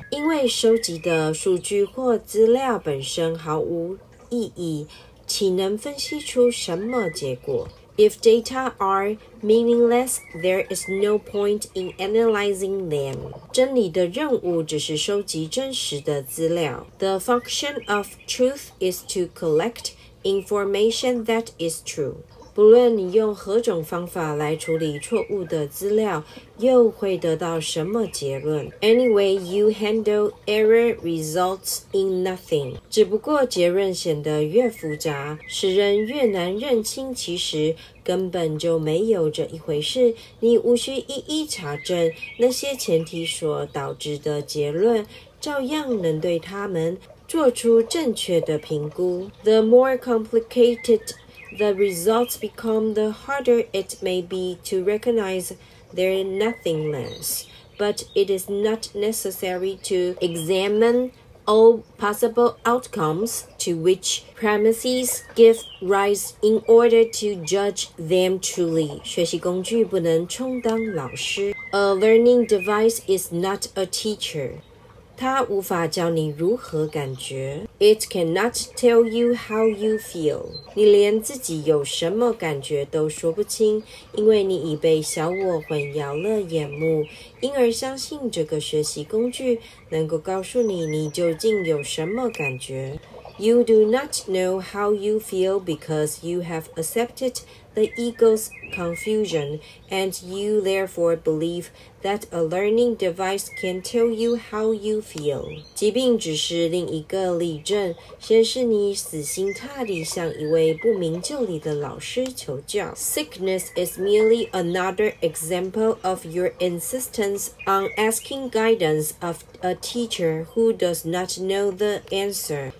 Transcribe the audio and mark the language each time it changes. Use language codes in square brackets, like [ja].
[zh] 因为收集的数据或资料本身毫无意义，岂能分析出什么结果？ [en] If data are meaningless, there is no point in analyzing them. [zh] 真理的任务只是收集真实的资料。 [en] The function of truth is to collect information that is true. [zh] 不论你用何种方法来处理错误的资料，又会得到什么结论。 [en] Anyway, you handle error results in nothing. [zh] 只不过结论显得越复杂，使人越难认清其实根本就没有这一回事。你无需一一查证那些前提所导致的结论，照样能对他们做出正确的评估。 [en] The more complicated the results become, the harder it may be to recognize their nothingness. But it is not necessary to examine all possible outcomes to which premises give rise in order to judge them truly. [zh] 学习工具不能充当老师。 [en] A learning device is not a teacher. [zh] 它无法教你如何感觉。 [en] It cannot tell you how you feel. [zh] 你连自己有什么感觉都说不清，因为你已被小我混淆了眼目，因而相信这个学习工具能够告诉你你究竟有什么感觉。 [en] You do not know how you feel because you have accepted the ego's confusion, and you therefore believe that a learning device can tell you how you feel. [zh] 疾病只是另一个例证，先是你死心塌地向一位不明就里的老师求教。 [en] Sickness is merely another example of your insistence on asking guidance of a teacher who does not know the answer.